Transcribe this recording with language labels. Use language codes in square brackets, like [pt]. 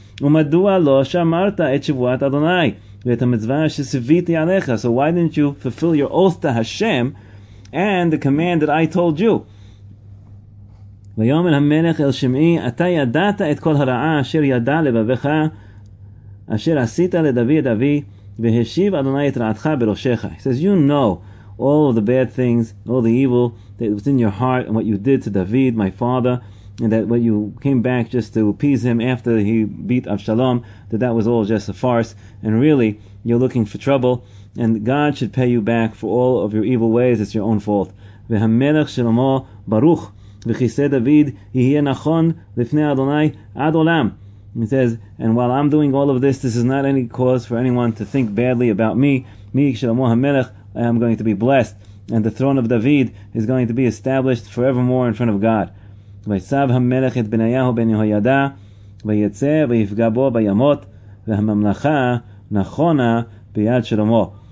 [he] ומדוע לא שמרת את שבועת אדוני ואת המצווה שסיוויתי עליך? [en] So why didn't you fulfill your oath to Hashem and the command that I told you? [he] ויאמר המלך אל שמעי, אתה ידעת את כל הרעה אשר ידע לבבך אשר עשית לדוד אבי והשיב אדוני את רעתך בראשך. [en] He says, you know all of the bad things, all the evil that was in your heart and what you did to David, my father, and that when you came back just to appease him after he beat Avshalom, that was all just a farce, and really, you're looking for trouble, and God should pay you back for all of your evil ways, it's your own fault. [he] והמלך שלמה ברוך וכיסא דוד יהיה נכון לפני אדוני עד עולם. [en] He says, and while I'm doing all of this, this is not any cause for anyone to think badly about me. [he] מי שלמה המלך, [en] I am going to be blessed, and the throne of David is going to be established forevermore in front of God. [he] ויצב המלך את בניהו בן יהוידע, ויצא ויפגע בו בימות, והממלכה נכונה ביד שלמה.